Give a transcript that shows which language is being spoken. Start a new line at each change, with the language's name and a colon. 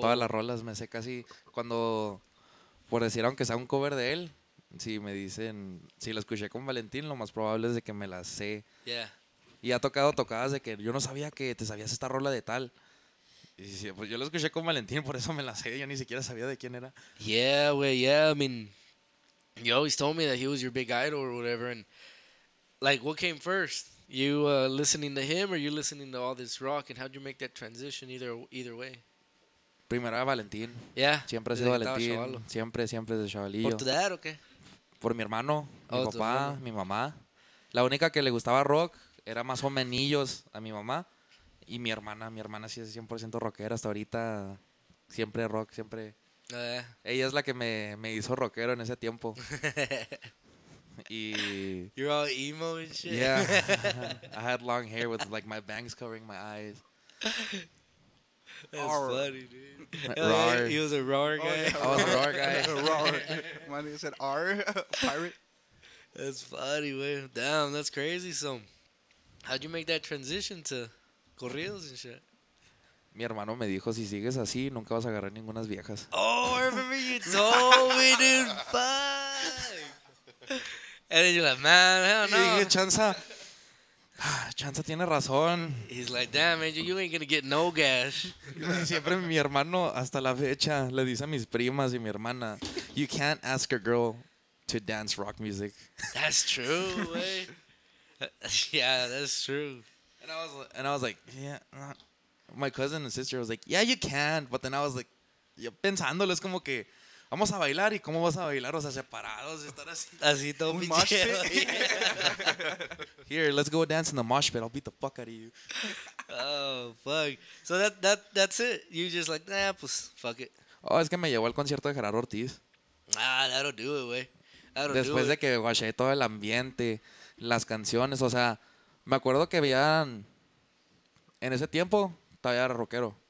Spanish: Todas las rolas me sé casi, cuando, por decir, aunque sea un cover de él, si me dicen, si la escuché con Valentín, lo más probable es de que me la sé.
English: Yeah.
Spanish: Y ha tocado tocadas de que yo no sabía que te sabías esta rola de tal. Y pues yo la escuché con Valentín, por eso me la sé. Yo ni siquiera sabía de quién era.
English: Yeah, güey, yeah. I mean, you always told me that he was your big idol or whatever. And, like, what came first? You listening to him or you listening to all this rock? And how'd you make that transition either way?
Spanish: Primero era Valentín.
English: Yeah.
Spanish: Siempre ha sido Valentín. Siempre es el chavalillo. ¿Por tu dad o qué? Por mi hermano, mi papá, mi mamá. La única que le gustaba rock... Era más o menos a mi mamá y mi hermana. Mi hermana sí es 100% rockera hasta ahorita. Siempre rock, siempre. Ella es la que me hizo rockero en ese tiempo. Y...
English: You're all emo and shit. Yeah. I had long hair with like my bangs covering my eyes. That's rawr. Funny, dude. Rawr. He was a rawr guy. Oh, yeah. I was a rawr guy. Rawr. My name said R. Pirate. That's funny, man. Damn, that's crazy. So... How'd you make that transition to corridos and shit?
Spanish: Mi hermano me dijo, si sigues así, nunca vas a agarrar ningunas viejas.
English: Oh, I remember you told me, dude. Fuck. And then you're like, man, hell no.
Spanish: Y Chanza. Chanza tiene razón.
English: He's like, damn, man, you ain't gonna get no gash.
Spanish: Siempre mi hermano, hasta la fecha, le dice a mis primas y mi hermana,
English: you can't ask a girl to dance rock music. That's true, wey. Yeah, that's true. And And I was like, yeah, my cousin and sister was like, yeah, you can. But then I was like,
Spanish: yo pensándolo, es como que vamos a bailar, y cómo vas a bailar, o sea, separados, y estar así, así todo un mosh pit.
English: Here, let's go dance in the mosh pit. I'll beat the fuck out of you. Oh, fuck. So that's it. You just like, nah, pues fuck it.
Spanish: Oh, es que me llevó al concierto de Gerardo Ortiz.
English: Ah, that'll do it, güey.
Spanish: Después de que guaché todo el ambiente, las canciones, o sea, me acuerdo que veían en ese tiempo todavía era rockero.